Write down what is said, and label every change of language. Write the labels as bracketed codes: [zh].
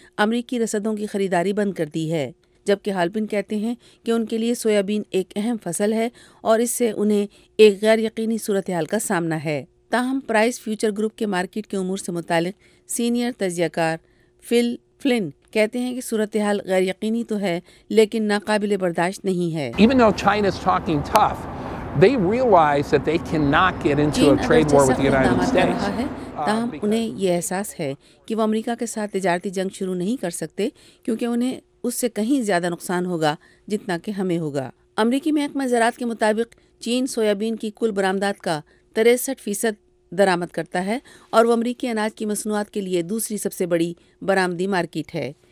[ur] امریکی رسدوں کی خریداری بند کر دی ہے، جبکہ ہالپن کہتے ہیں کہ ان کے لیے سویابین ایک اہم فصل ہے اور اس سے انہیں ایک غیر یقینی صورتحال کا سامنا ہے۔ تاہم پرائز فیوچر گروپ کے مارکیٹ کے امور سے متعلق سینئر تجزیہ کار فل فلن کہتے ہیں کہ صورتحال غیر یقینی تو ہے لیکن ناقابل برداشت نہیں ہے۔ [en] Even though China is talking tough, they realize that they cannot get into a trade war with the United States. [ur] تاہم انہیں یہ احساس ہے کہ وہ امریکہ کے ساتھ تجارتی جنگ شروع نہیں کر سکتے، کیونکہ انہیں اس سے کہیں زیادہ نقصان ہوگا جتنا کہ ہمیں ہوگا۔ امریکی محکمہ زراعت کے مطابق چین سویابین کی کل برآمدات کا 63% درآمد کرتا ہے، اور وہ امریکی اناج کی مصنوعات کے لیے دوسری سب سے بڑی برآمدی مارکیٹ ہے۔